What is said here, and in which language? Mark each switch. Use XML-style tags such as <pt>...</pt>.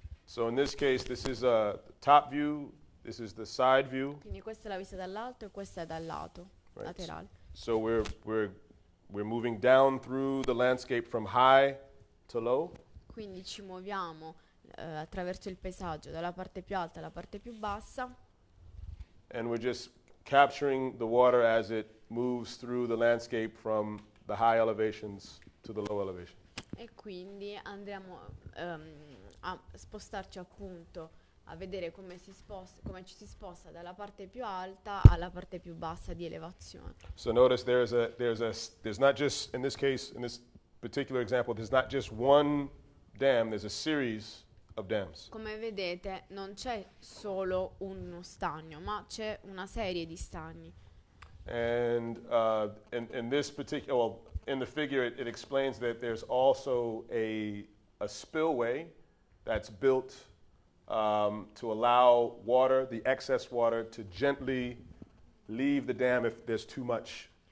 <en>So in this case this is a top view, this is the side view.</en> <it>Quindi questa è la vista dall'alto e questa è dal lato,</it> <en>right,</en> <it>laterale.</it> <en>So we're moving down through the landscape from high to low.</en> <it>Quindi ci muoviamo attraverso il paesaggio dalla parte più alta alla parte più bassa.</it> <en>And we're just capturing the water as it moves through the landscape from the high elevations to the low elevation.</en> <it>E quindi andiamo a spostarci appunto a vedere come ci si sposta dalla parte più alta alla parte più bassa di elevazione.</it> <en>So notice there's not just in this case, in this particular example, there's not just one dam, there's a series of dams.</en> <it>Come vedete, non c'è solo uno stagno, ma c'è una serie di stagni.</it> <en>And in this particular, well, in the figure, it explains that there's also a spillway that's built to allow water, the excess water, to gently leave the dam if there's too much.</en>